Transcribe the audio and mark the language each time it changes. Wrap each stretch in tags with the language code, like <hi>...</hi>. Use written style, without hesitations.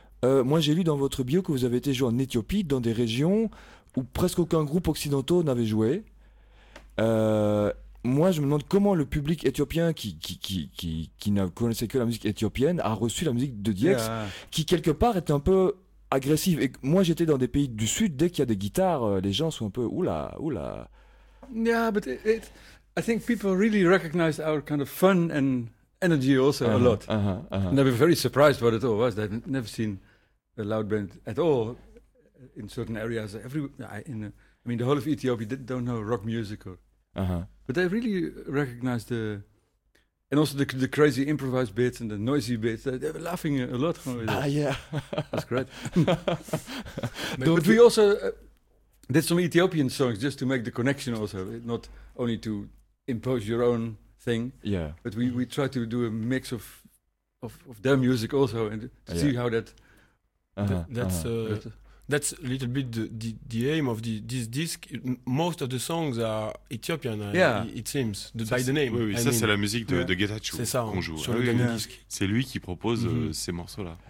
<fr>Moi, j'ai lu dans votre bio que vous avez été joué en Éthiopie, dans des régions où presque aucun groupe occidentaux n'avait joué. Moi, je me demande comment le public éthiopien qui ne connaissait que la musique éthiopienne a reçu la musique de Dieks, yeah. qui quelque part était un peu agressive. Et moi, j'étais dans des pays du sud, dès qu'il y a des guitares, les gens sont un peu oula.</fr> <en>Yeah, but I think people really recognize our kind of fun and energy also a lot. Uh-huh, uh-huh. And they were very surprised what it all was. They've never seen a loud band at all in certain areas. The whole of Ethiopia don't know rock music. But they really recognized the... And also the crazy improvised bits and the noisy bits. They were laughing a lot. That's great. But we also did some Ethiopian songs just to make the connection also, not only to impose your own thing, yeah. But we try to do a mix of their music also and to see how that. That's a little bit the aim of this disc. Most of the songs are Ethiopian. It seems by the name.</en> <fr>Oui, c'est la musique de Getachew qu'on joue sur le dernier disque. C'est lui qui propose ces morceaux là.</fr>